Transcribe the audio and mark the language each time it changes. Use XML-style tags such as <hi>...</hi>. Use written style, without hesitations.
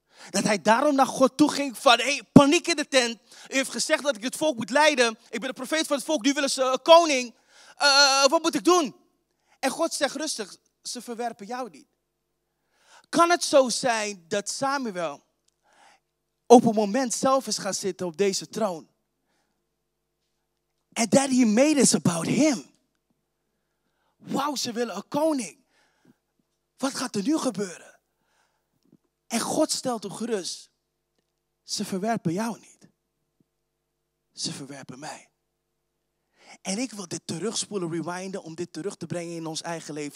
<nl>Dat hij daarom naar God toe ging van, hey, paniek in de tent. U heeft gezegd dat ik het volk moet leiden. Ik ben de profeet van het volk, nu willen ze een koning. Wat moet ik doen? En God zegt rustig, ze verwerpen jou niet. Kan het zo zijn dat Samuel op een moment zelf is gaan zitten op deze troon?</nl> <en>And that he made it about him.</en> <nl>Wauw, ze willen een koning. Wat gaat er nu gebeuren? En God stelt hem gerust. Ze verwerpen jou niet. Ze verwerpen mij. En ik wil dit terugspoelen, rewinden, om dit terug te brengen in ons eigen leven.</nl>